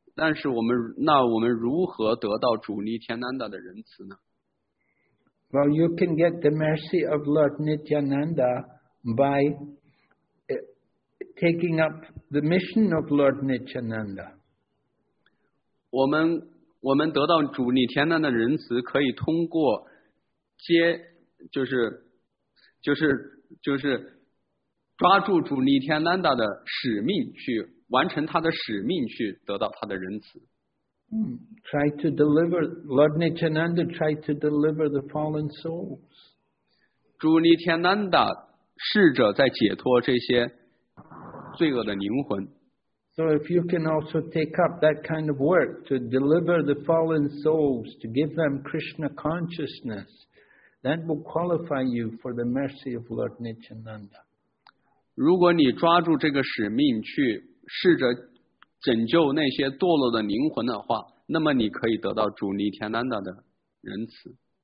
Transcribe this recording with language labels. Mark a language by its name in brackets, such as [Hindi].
[Chinese] 但是我们那我们如何得到主尼田丹的仁慈呢？ [English] Well, you can get the mercy of Lord Nityananda by taking up the mission of Lord Nityananda. [Chinese] 我们得到主尼田丹的仁慈，可以通过接就是抓住主尼天南达的使命，去完成他的使命，去得到他的仁慈。 [English] Try to deliver Lord Nityananda. Try to deliver the fallen souls. [Chinese] 主尼天南达试着在解脱这些罪恶的灵魂。 [English] So if you can also take up that kind of work to deliver the fallen souls, to give them Krishna consciousness, that will qualify you for the mercy of Lord Nityananda. [Chinese] 如果你抓住这个使命去试着拯救那些堕落的灵魂的话，那么你可以得到主尼田丹达的仁慈。